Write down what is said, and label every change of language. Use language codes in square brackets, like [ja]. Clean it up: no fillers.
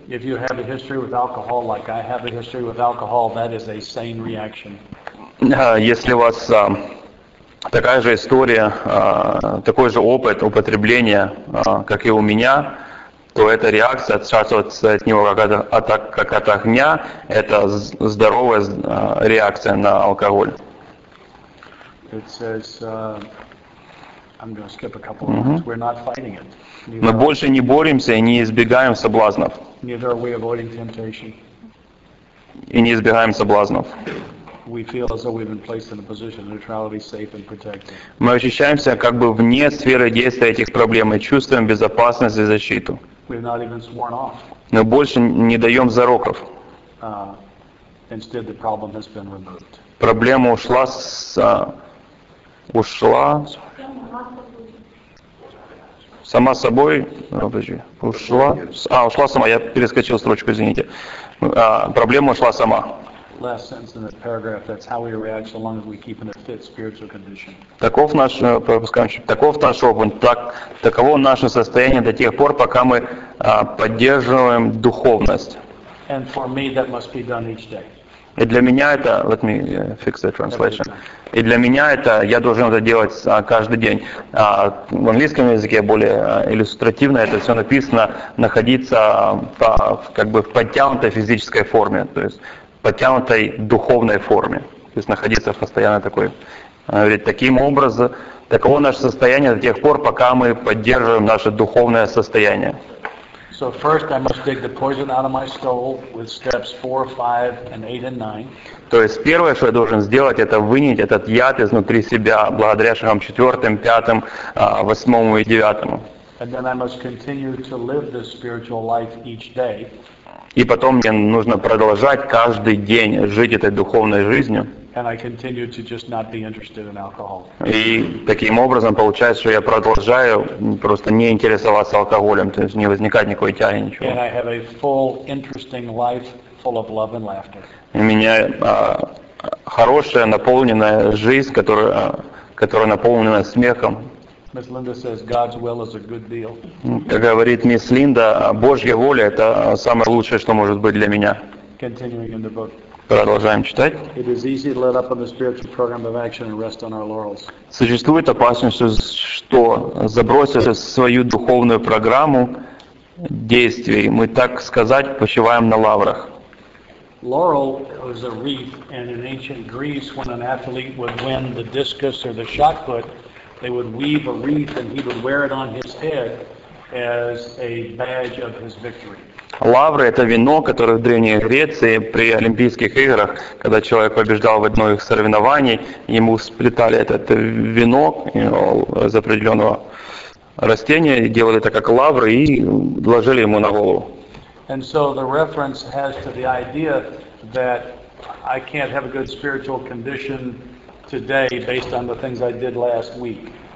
[ru] Если у вас такая же история, такой же опыт употребления, как и у меня, то эта реакция отшатываться от него как от огня, это здоровая реакция на алкоголь. [en] It says, I'm going to skip a couple of words. Mm-hmm. We're not fighting it. [ru] Мы больше не боремся и не избегаем соблазнов. [en] Neither are we avoiding temptation. [ru] И не избегаем соблазнов. [en] We feel as though we've been placed in a position of neutrality, safe and protected. [ru] Мы ощущаемся как бы вне сферы действия этих проблем и чувствуем безопасность и защиту. [en] We've not even sworn off. [ru] Мы больше не даем зароков. [en] Instead, the problem has been removed. [ru] Проблема ушла с ушла. Сама собой, подожди, ушла. Ушла сама. Я перескочил строчку, извините. Проблема ушла сама. [en] Last sentence in that paragraph. That's how we react, so long as we keep in a fit spiritual condition. [ru] Таков наш, пропускаем. Таков наш опыт. Таково наше состояние до тех пор, пока мы поддерживаем духовность. [en] And for me, that must be done each day. [ru] И для меня это, [en] let me fix the translation. [ru] И для меня это, я должен это делать каждый день. В английском языке более иллюстративно это все написано, находиться как бы в подтянутой физической форме, то есть в подтянутой духовной форме, то есть находиться в постоянно такой. Она говорит, таким образом, таково наше состояние до тех пор, пока мы поддерживаем наше духовное состояние. [en] So first I must dig the poison out of my soul with steps 4, 5, and 8, and 9. [ru] То есть первое, что я должен сделать, это вынять этот яд изнутри себя благодаря шагам 4, 5, 8 и 9. [en] And then I must continue to live this spiritual life each day. [ru] И потом мне нужно продолжать каждый день жить этой духовной жизнью. [en] And I continue to just not be interested in alcohol. [ru] И таким образом получается, что я продолжаю просто не интересоваться алкоголем, то есть не возникает никакой тяги ничего. [en] And I have a full, interesting life full of love and laughter. [ru] У меня хорошая, наполненная жизнь, которая наполнена смехом. [en] Miss Linda says God's will is a good deal. [ru] Как говорит мисс Линда, Божья воля это самое лучшее, что может быть для меня. [en] Continuing in the book. [ru] Продолжаем читать. [en] It is easy to let up on the spiritual program of action and rest on our laurels. [ru] Существует опасность, что забросив свою духовную программу действий, мы, так сказать, почиваем на лаврах. [en] Laurel was a wreath, and in ancient Greece, when an athlete would win the discus or the shot put, they would weave a wreath and he would wear it on his head as a badge of his victory. [ru] Лавры — это венок, который в Древней Греции при Олимпийских играх, когда человек побеждал в одной из соревнований, ему сплетали этот венок из определенного растения, делали это как лавры и ложили ему на голову. [en] And so the reference has to the idea that I can't have a good spiritual condition today based on the things I did last week.